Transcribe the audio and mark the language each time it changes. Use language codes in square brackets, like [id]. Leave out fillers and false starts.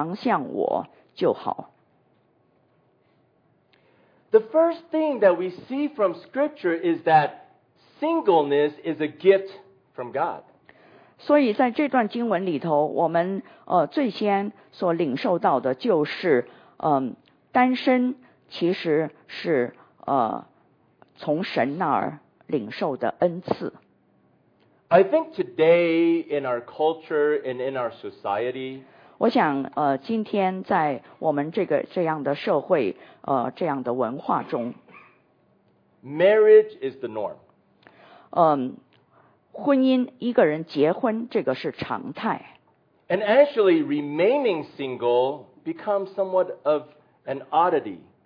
[zh] 第六节，我说这话原是准你们的，不是命你们的。我愿意众人像我一样，只是个人领受神的恩赐，一个是这样，一个是那样。我对着没有嫁娶的和寡妇说，若他们常像我就好。 [en] The first thing that we see from Scripture is that singleness is a gift from God. [zh] 所以在这段经文里头，我们最先所领受到的就是单身其实是从神那儿领受的恩赐。 [en] I think today in our culture and in our society, [zh] 我想今天在我们这个这样的社会这样的文化中， [en] marriage is the norm. [zh] 婚姻一个人结婚这个是常态。 [en] And actually remaining single becomes somewhat of an oddity.